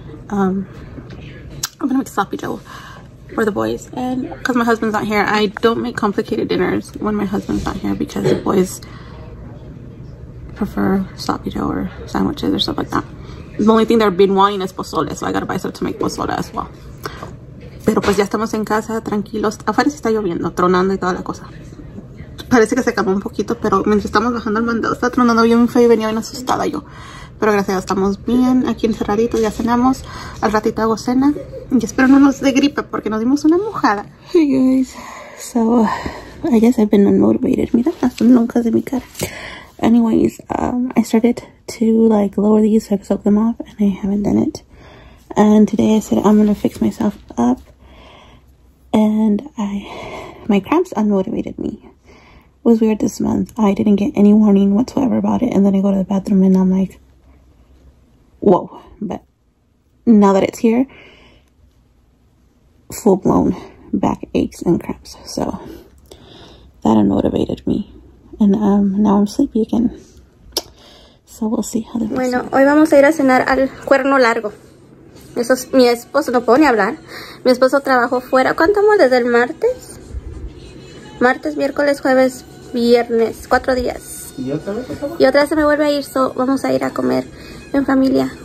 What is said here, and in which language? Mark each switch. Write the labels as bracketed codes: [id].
[en] I'm gonna make sloppy dough for the boys. And because my husband's not here, I don't make complicated dinners when my husband's not here because the boys prefer sloppy dough or sandwiches or stuff like that. The only thing they've been wanting is pozole, so I gotta buy stuff to make pozole as well. [es] Pero pues ya estamos en casa, tranquilos. Afuera sí está lloviendo, tronando y toda la cosa. Parece que se acabó un poquito, pero mientras estamos bajando el mandado, está tronando bien feo y venía bien asustada yo. Pero gracias a Dios estamos bien, aquí encerraditos, ya cenamos. Al ratito hago cena. Y espero no nos dé gripe porque nos dimos una mojada. [en] Hey guys, so I guess I've been unmotivated. [es] Mira las lonjas de mi cara. [en] Anyways, I started to like lower these so I could soak them off and I haven't done it. And today I said I'm gonna fix myself up, and my cramps unmotivated me. It was weird this month. I didn't get any warning whatsoever about it, and then I go to the bathroom and I'm like, whoa. But now that it's here, full blown back aches and cramps. So that unmotivated me, and now I'm sleepy again. So we'll see how the rest. [es] Bueno, hoy vamos a ir a cenar al Cuerno Largo. Eso es, mi esposo, no puedo ni hablar. Mi esposo trabajó fuera. ¿Cuánto más? ¿Desde el martes? Martes, miércoles, jueves, viernes. 4 días. ¿Y otra vez? Y otra se me vuelve a ir. So, vamos a ir a comer en familia.